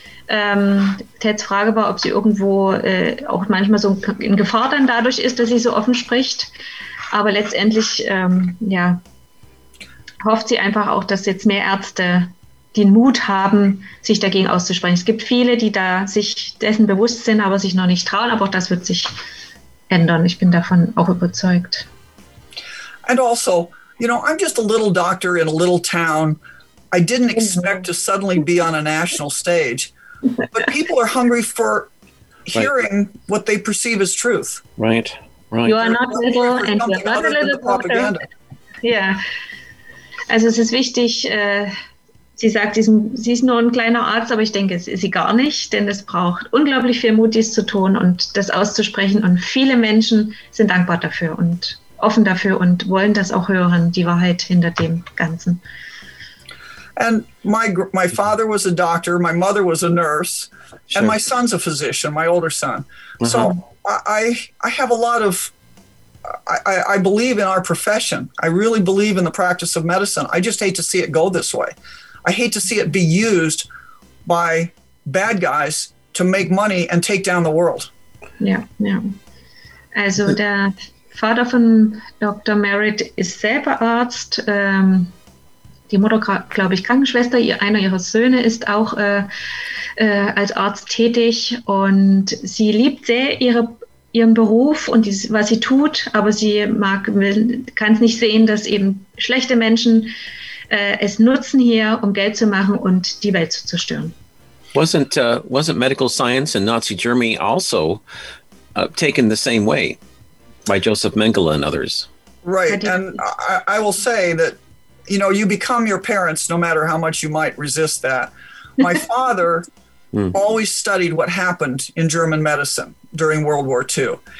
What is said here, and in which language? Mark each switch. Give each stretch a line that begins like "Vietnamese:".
German: Teds Frage war, ob sie irgendwo auch manchmal so in Gefahr dann dadurch ist, dass sie so offen spricht. Aber letztendlich hofft sie einfach auch, dass jetzt mehr Ärzte den Mut haben, sich dagegen auszusprechen. Es gibt viele, die da sich dessen bewusst sind, aber sich noch nicht trauen. Aber auch das wird sich ändern. Ich bin davon auch überzeugt.
English: And also, you know, I'm just a little doctor in a little town. I didn't expect to suddenly be on a national stage. But people are hungry for hearing right. what they perceive as truth. Right, right. You are not little and you are not a little propaganda. Yeah.
German: Also es ist wichtig, sie sagt, sie ist nur ein kleiner Arzt, aber ich denke, es ist sie gar nicht, denn es braucht unglaublich viel Mut, dies zu tun und das auszusprechen. Und viele Menschen sind dankbar dafür und offen dafür und wollen das auch hören, die Wahrheit hinter dem Ganzen.
English: And my father was a doctor, my mother was a nurse, sure. and my son's a physician, my older son. Mm-hmm. So I believe in our profession. I really believe in the practice of medicine. I just hate to see it go this way. I hate to see it be used by bad guys to make money and take down the world.
German: Yeah, yeah. Also der Vater von Dr. Merritt ist selber Arzt, die Mutter, glaube ich, Krankenschwester, einer ihrer Söhne ist auch als Arzt tätig und sie liebt sehr ihren Beruf und was sie tut, aber sie kann es nicht sehen, dass eben schlechte Menschen es nutzen hier, um Geld zu machen und die Welt zu zerstören.
English: Wasn't medical science in Nazi Germany also taken the same way by Joseph Mengele and others? Right, and I will say that you know, you become your parents no matter how much you might resist that. My father always studied what happened in German medicine during World War II.